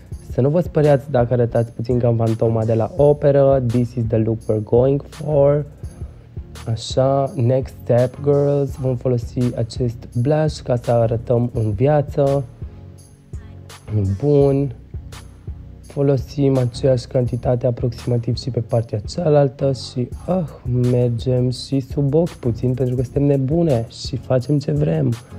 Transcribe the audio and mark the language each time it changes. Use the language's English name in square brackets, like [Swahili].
[Romanian] Să nu vă speriați dacă arătați puțin cam fantoma de la operă. [English] This is the look we're going for. [Romanian] Așa, [English] next step, girls. [Romanian] Vom folosi acest blush ca să arătăm în viață. Bun. Folosim aceeași cantitate aproximativ și pe partea cealaltă și mergem și sub ochi puțin pentru că suntem nebune și facem ce vrem.